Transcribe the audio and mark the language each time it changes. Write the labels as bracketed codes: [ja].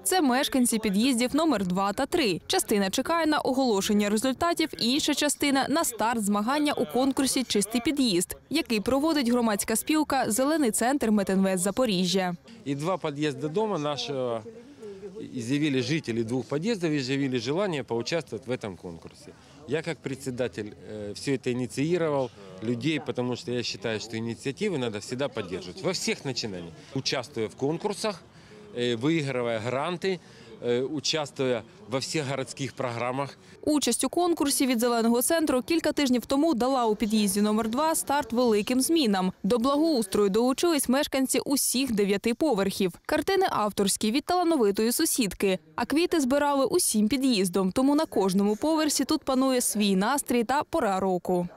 [uk] Це мешканці під'їздів номер 2 та 3. Частина чекає на оголошення результатів, інша частина – на старт змагання у конкурсі «Чистий під'їзд», який проводить громадська спілка «Зелений центр Метинвест Запоріжжя». І два під'їзди додому нашого, з'явили жителі двох під'їздів і з'явили бажання поучаствувати в цьому конкурсі. [ru] Я, как председатель, все это инициировал людей, потому что я считаю, что инициативы надо всегда поддерживать во всех начинаниях. Участвуя в конкурсах, выигрывая гранты, участвуя во всех городских программах. [uk] Участь у конкурсі від «Зеленого центру» кілька тижнів тому дала у під'їзді номер 2 старт великим змінам. До благоустрою долучились мешканці усіх 9 поверхів. Картини авторські від талановитої сусідки. А квіти збирали усім під'їздом, тому на кожному поверсі тут панує свій настрій та пора року.